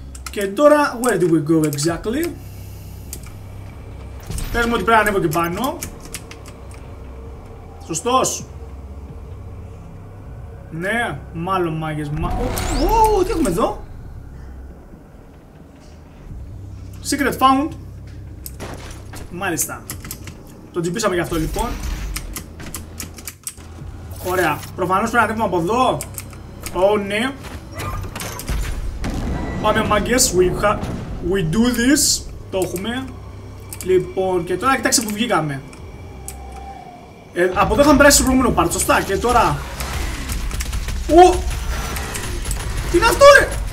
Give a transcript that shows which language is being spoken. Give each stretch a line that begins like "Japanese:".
Greek: Και τώρα,
English: where do we go exactly?
Greek: Πες μου ότι πρέπει να ανέβω και πάνω. Σωστός. Ναι, μάλλον μάγες, τι έχουμε εδώ?
English: Secret found.
Greek: Μάλιστα. Το τσιμπήσαμε γι' αυτό λοιπόν. Ωραία, προφανώς πρέπει να ανέβουμε από εδώ. Oh, ναι. Πάμε μάγκες,
English: we do this.
Greek: Το έχουμε. Λοιπόν, και τώρα κοιτάξτε που βγήκαμε. Από εδώ είχαμε περάσει στο προηγούμενο πάρτι, σωστά, και τώρα. Ο! Τι είναι αυτό, ρε!